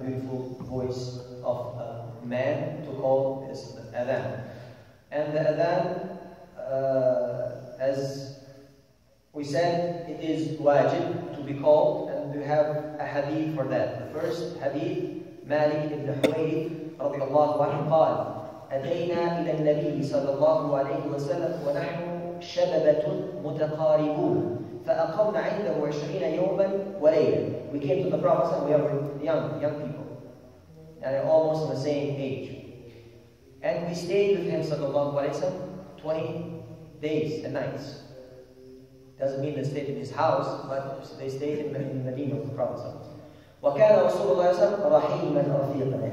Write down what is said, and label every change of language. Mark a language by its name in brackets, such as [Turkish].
[English] beautiful voice of a man to call his Adhan. And the Adhan, as we said, it is wajib to be called, and we have a hadith for that. The first hadith, Malik ibn Huwayd radiallahu anhu qala, [Arabic] أتينا إلى النبي صلى الله عليه وسلم ونحن شبابة متقاربون فأقمنا عنده 20 يوما وليلا. [English] We came to the Prophet and we are young people and almost the same age. And we stayed with him صلى الله عليه وسلم 20 days and nights. Doesn't mean they stayed in his house, but they stayed in the Medina of the Prophet. [Arabic] وكان رسول الله صلى الله عليه وسلم رحيما رفيقا.